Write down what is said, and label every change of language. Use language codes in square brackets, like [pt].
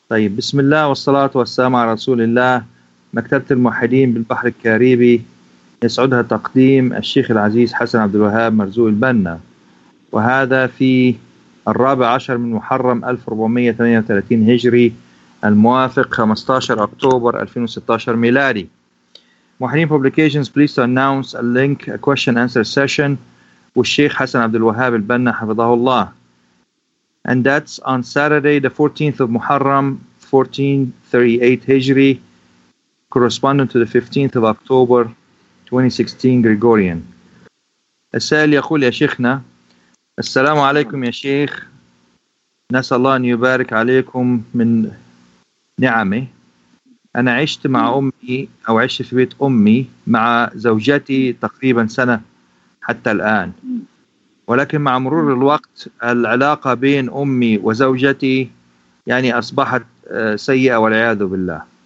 [ar] طيب، بسم الله والصلاة والسلام على رسول الله. مكتبة الموحدين بالبحر الكاريبي يسعدها تقديم الشيخ العزيز حسن عبد الوهاب مرزوق البنا، وهذا في 14 من محرم 1438 هجري الموافق 15 أكتوبر 2016 ميلادي. [en] موحدين Publications, please to announce a link, a question answer session with الشيخ حسن عبد الوهاب البنا حفظه الله. And that's on Saturday, the 14th of Muharram, 1438 Hijri, corresponding to the 15th of October, 2016, Gregorian. [ar] السائل يقول يا شيخنا، السلام عليكم يا شيخ، نسأل الله أن يبارك عليكم من نعمه. أنا عشت مع أمي أو عشت في بيت أمي مع زوجتي تقريبا سنة حتى الآن، ولكن مع مرور الوقت العلاقة بين أمي وزوجتي يعني أصبحت سيئة والعياذ بالله.